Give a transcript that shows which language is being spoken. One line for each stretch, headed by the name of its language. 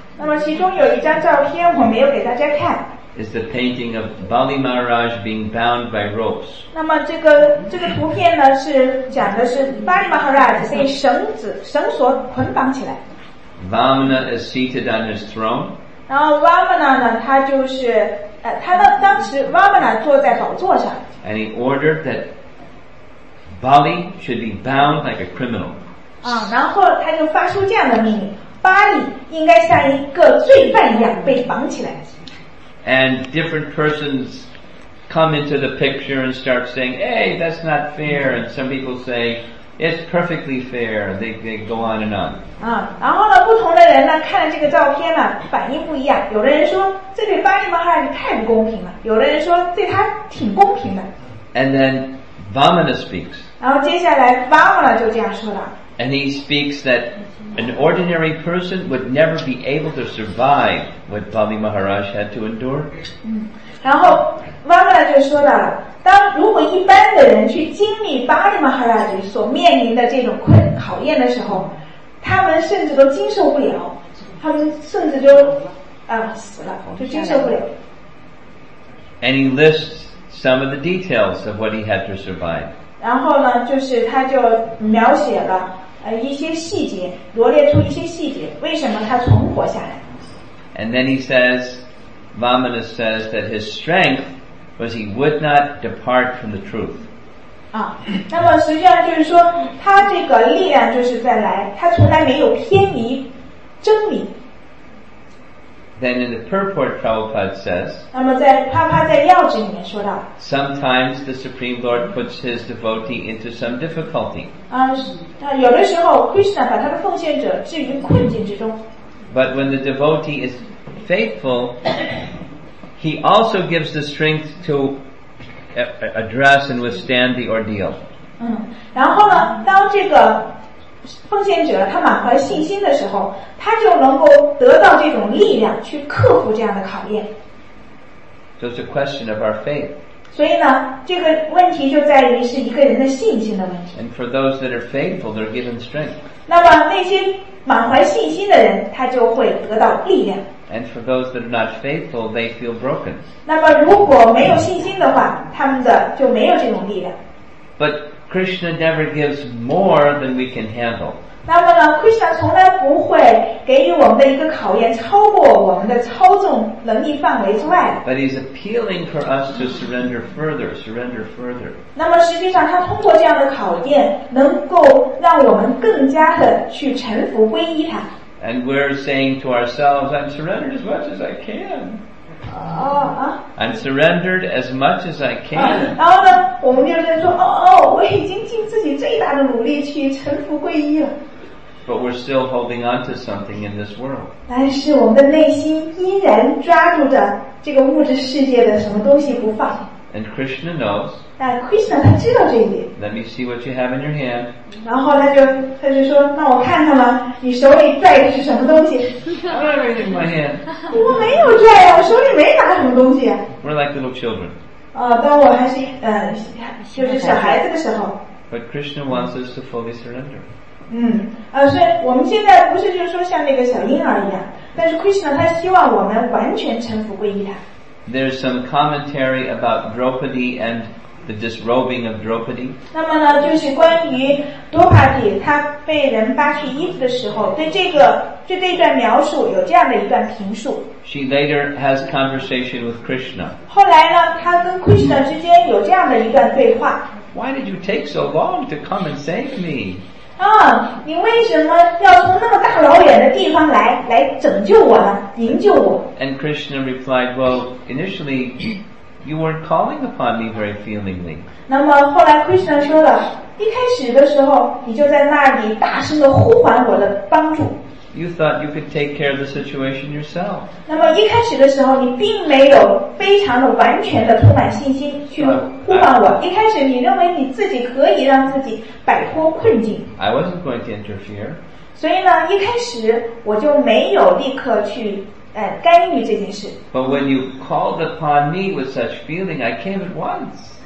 Chinese: 那么其中有一张照片我没有给大家看。
English: Is the painting of Bali Maharaj being bound by ropes.
Chinese: 那么这个图片呢是讲的是 Bali Maharaj 被绳索捆绑起来。
English: Vamana is seated on his throne.
Chinese: 然后 Vamana 呢他就是他的当时 Vamana 坐在宝座上。
English: And he ordered that Bali should be bound like a criminal.
Chinese: 然后他就发出这样的命令。巴黎应该像一个罪犯一样被绑起来。
English: And different persons come into the picture and start saying, "Hey, that's not fair." And some people say, "It's perfectly fair." They go on and on.
Chinese: 然后呢，不同的人呢看了这个照片呢，反应不一样。有的人说，这对巴黎马哈尔太不公平了。有的人说，对他挺公平的。
English: And then Vamana speaks.
Chinese: 然后接下来 Vamana 就这样说了。
English: And he speaks that an ordinary person would never be able to survive what Bali Maharaj had to endure.
Chinese: 然后 Vamana 就说到了，当如果一般的人去经历 Bali Maharaj 所面临的这种考验的时候，他们甚至都经受不了，他们甚至就死了，就经受不了。
English: And he lists some of the details of what he had to survive.
Chinese: 然后呢，就是他就描写了一些细节，罗列出一些细节，为什么他存活下来。
English: And then he says, Vamana says that his strength was he would not depart from the truth.
Chinese: 那么实际上就是说，他这个力量就是在来，他从来没有偏离真理。
English: Then in the purport, Prabhupada says,
Chinese: 那么在帕帕在要旨里面说到,
English: sometimes the Supreme Lord puts his devotee into some difficulty.
Chinese: 他有的时候 Krishna 把他的奉献者置于困境之中。
English: But when the devotee is faithful, he also gives the strength to address and withstand the ordeal.
Chinese: 然后呢，当这个奉献者他满怀信心的时候，他就能够得到这种力量去克服这样的考验。
English: So it's a question of our faith.
Chinese: 所以呢，这个问题就在于是一个人的信心的问题。
English: And for those that are faithful, they're given strength.
Chinese: 那么那些满怀信心的人，他就会得到力量。
English: And for those that are not faithful, they feel broken.
Chinese: 那么如果没有信心的话，他们的就没有这种力量。
English: But Krishna never gives more than we can handle.
Chinese: 那么呢， Krishna 从来不会给予我们的一个考验超过我们的操纵能力范围之外。
English: But he's appealing for us to surrender further, surrender further.
Chinese: 那么实际上他通过这样的考验能够让我们更加的去臣服皈依他。
English: And we're saying to ourselves, I'm surrendered as much as I can. I'm surrendered as much as I can.
Chinese: 然后呢，我们就在说，我已经尽自己最大的努力去臣服皈依了。
English: But we're still holding on to something in this world.
Chinese: 但是我们的内心依然抓住着这个物质世界的什么东西不放。
English: And Krishna knows.
Chinese: 但 Krishna 他知道这一点。
English: Let me see what you have in your hand.
Chinese: 然后他就说，那我看看吧，你手里拽的是什么东西？
English: I have it in my hand.
Chinese: 我没有拽呀，我手里没拿什么东西。
English: We're like little children.
Chinese: 当我还是就是小孩子的时候。
English: But Krishna wants us to fully surrender.
Chinese: 所以我们现在不是就是说像那个小婴儿一样，但是 Krishna 他希望我们完全臣服皈依他。
English: There's some commentary about Draupadi and the disrobing of Draupadi.
Chinese: 那么呢，就是关于多帕提她被人扒去衣服的时候，对这段描述有这样的一段评述。
English: She later has conversation with Krishna.
Chinese: 后来呢，她跟 Krishna 之间有这样的一段对话。
English: Why did you take so long to come and save me?
Chinese: 你为什么要从那么大老远的地方来拯救我呢？营救我？
English: And Krishna replied, "Well, initially, you weren't calling upon me very feelingly."
Chinese: 那么后来 Krishna 说了，一开始的时候你就在那里大声的呼唤我的帮助。
English: You thought you could take care of the situation yourself.
Chinese: 那么一开始的时候你并没有非常的完全的充满信心去呼唤我。一开始你认为你自己可以让自己摆脱困境。
English: I wasn't going to interfere.
Chinese: 所以呢，一开始我就没有立刻去干预这件事。
English: But when you called upon me with such feeling, I came at once.